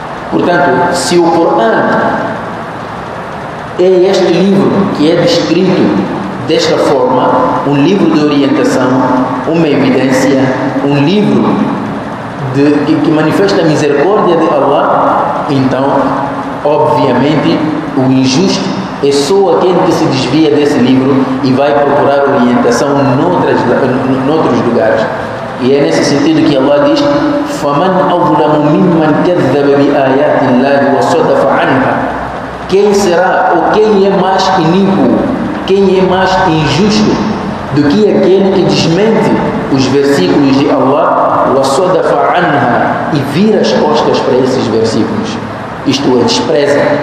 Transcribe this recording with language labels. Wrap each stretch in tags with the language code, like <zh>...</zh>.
<pt>Portanto, se o Corão é este livro que é descrito desta forma, um livro de orientação, uma evidência, um livro que manifesta a misericórdia de Allah, então, obviamente, o injusto é só aquele que se desvia desse livro e vai procurar orientação noutros lugares. E é nesse sentido que Allah diz:</pt> <ar>فَمَنْ أَظْلَمُ مِمَّنْ كَذَّبَ بِآيَاتِ اللَّهِ وَصَدَّفَ عَنْهَا.</ar> <pt>Quem será ou quem é mais iníquo, quem é mais injusto do que aquele que desmente os versículos de Allah,</pt> <ar>وَصَدَّفَ عَنْهَا,</ar> <pt>e vira as costas para esses versículos? Isto é, despreza.</pt>